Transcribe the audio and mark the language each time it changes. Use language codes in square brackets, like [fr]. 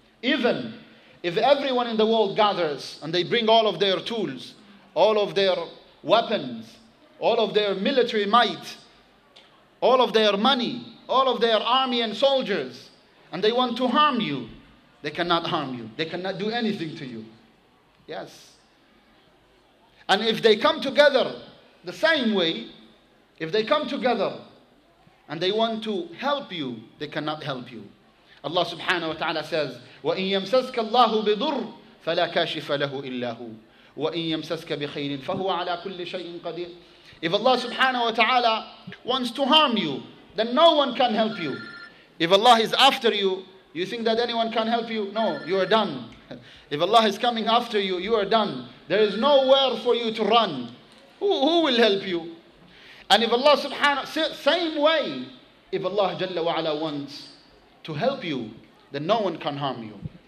[en] Even if everyone in the world gathers and they bring all of their tools, all of their weapons, all of their military might, all of their money, all of their army and soldiers, and they want to harm you, they cannot harm you. They cannot do anything to you. Yes. And if they come together the same way, if they come together and they want to help you, they cannot help you. [ar] Allah subhanahu wa ta'ala says, وَإِن يَمْسَسْكَ اللَّهُ بِضُرٍّ فَلَا كَاشِفَ لَهُ إِلَّا هُوَ وَإِن يَمْسَسْكَ بِخَيْرٍ فَهُوَ عَلَى كُلِّ شَيْءٍ قَدِيرٍ. [en] If Allah subhanahu wa ta'ala wants to harm you, then no one can help you. If Allah is after you, you think that anyone can help you? No, you are done. If Allah is coming after you, you are done. There is nowhere for you to run. Who will help you? And if Allah subhanahu, same way, if Allah jalla wa ala wants to help you, then no one can harm you.